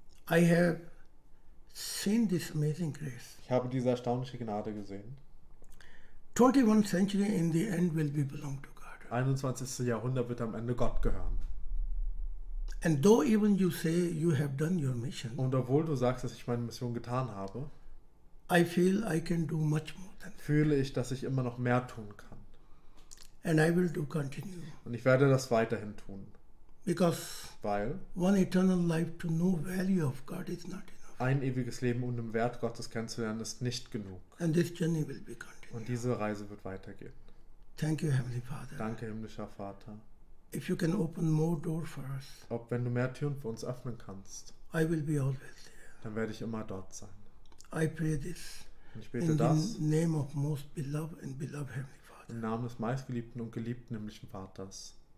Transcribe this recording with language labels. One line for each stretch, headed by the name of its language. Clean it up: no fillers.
English: I have seen this amazing grace.
German: Ich habe diese erstaunliche Gnade gesehen.
English: 21 century in the end will be belong to God.
German: 21. Jahrhundert wird am Ende Gott gehören.
English: And though even you say you have done your mission.
German: Und obwohl du sagst, dass ich meine Mission getan habe.
English: I feel I can do much more than that.
German: Fühle ich, dass ich immer noch mehr tun kann.
English: And I will do continue.
German: Und ich werde das weiterhin tun.
English: Because
German: weil
English: one eternal life to know value of God is not enough.
German: Ein ewiges Leben, um den Wert Gottes kennenzulernen, ist nicht genug.
English: And this journey will be continued.
German: Und diese Reise wird weitergehen.
English: Thank you, Heavenly Father.
German: Danke, himmlischer Vater.
English: If you can open more door for us,
German: ob wenn du mehr Türen für uns öffnen kannst,
English: I will be always there.
German: Dann werde ich immer dort sein.
English: I pray this
German: und ich bete
English: in
German: das
English: the name of most beloved and beloved Heavenly Father.
German: Im Namen des meistgeliebten und geliebten himmlischen Vaters.